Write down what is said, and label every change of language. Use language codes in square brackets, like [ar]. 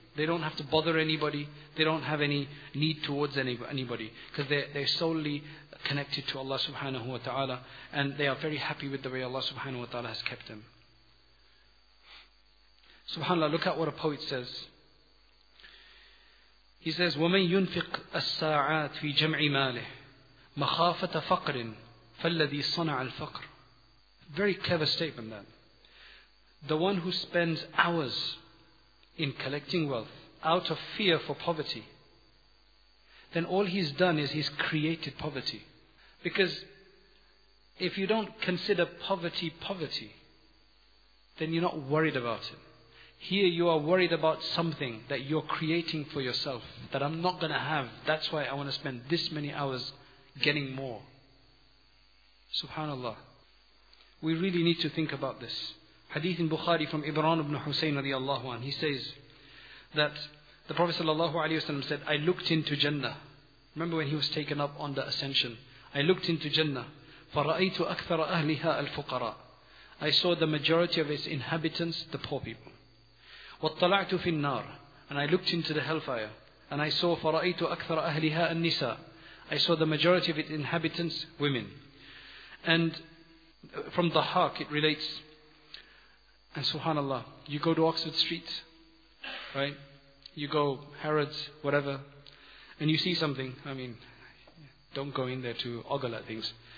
[en] They don't have to bother anybody. They don't have any need towards anybody. Because they're solely connected to Allah subhanahu wa ta'ala. And they are very happy with the way Allah subhanahu wa ta'ala has kept them. SubhanAllah, look at what a poet says. He says, [ar] وَمَنْ يُنْفِقْ السَّاعَاتِ فِي جَمْعِ مَالِهِ مَخَافَةَ فَقْرٍ فَالَّذِي صَنَعَ الْفَقْرِ. [en] Very clever statement that. The one who spends hours in collecting wealth out of fear for poverty, then all he's done is he's created poverty. Because if you don't consider poverty, then you're not worried about it. Here you are worried about something that you're creating for yourself that I'm not going to have. That's why I want to spend this many hours getting more. Subhanallah. We really need to think about this. Hadith in Bukhari from Ibran ibn Husayn radiallahu anhu. He says that the Prophet sallallahu alayhi wa sallam said, I looked into Jannah. Remember when he was taken up on the ascension. I looked into Jannah. [ar] فَرَأَيْتُ أَكْثَرَ أَهْلِهَا الْفُقَرَى. [en] I saw the majority of its inhabitants, the poor people. [ar] وَاطَّلَعْتُ فِي النَّارِ. [en] And I looked into the hellfire. And I saw [ar] فَرَأَيْتُ أَكْثَرَ أَهْلِهَا النِّسَى. [en] I saw the majority of its inhabitants, women. And from Dhahak it relates. And subhanallah, you go to Oxford Street, right? You go Harrods, whatever. And you see something, I mean, don't go in there to ogle at things.